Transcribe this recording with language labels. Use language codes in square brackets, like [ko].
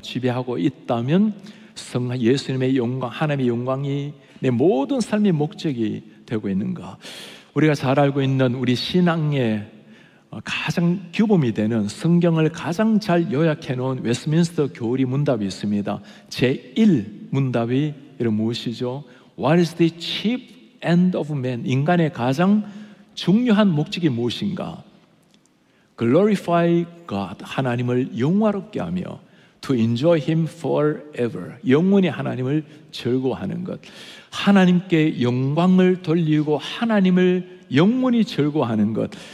[ko] 지배하고 있다면 예수님의 영광, 하나님의 영광이 내 모든 삶의 목적이 되고 있는가? 우리가 잘 알고 있는 우리 신앙의 가장 규범이 되는, 성경을 가장 잘 요약해 놓은 웨스트민스터 교리 문답이 있습니다. 제1 문답이 이런 무엇이죠? [en] What is the chief end of man? [ko] 인간의 가장 중요한 목적이 무엇인가? [en] Glorify God, [ko] 하나님을 영화롭게 하며, [en] to enjoy him forever, [ko] 영원히 하나님을 즐거워하는 것. 하나님께 영광을 돌리고 하나님을 영원히 즐거워하는 것.